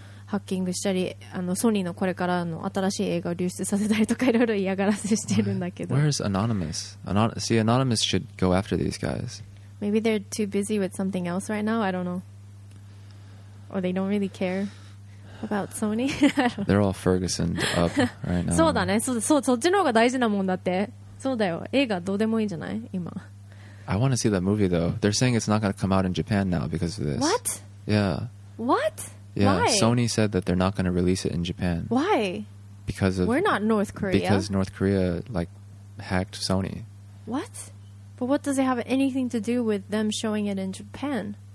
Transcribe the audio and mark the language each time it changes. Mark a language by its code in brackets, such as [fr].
[ja] ハッキングしたりソニーのこれからの新しい映画を流出させたりとかいろいろ嫌がらせしてるんだけど [en] Where's Anonymous? See, Anonymous should go after these guys. Maybe they're too busy with something else right now. I don't know. Or they don't really care about Sony. They're all Ferguson up right now. [ja] そうだね。そっちの方が大事なもんだって。そうだよ。映画どうでもいいんじゃない今。 [en] I want to see that movie though. They're saying it's not going to come out in Japan now because of this. What? Yeah. What? Yeah,、 Why? Sony said that they're not going to release it in Japan. Why? Because of... We're not North Korea. Because North Korea, like, hacked Sony. What? But what does it have anything to do with them showing it in Japan?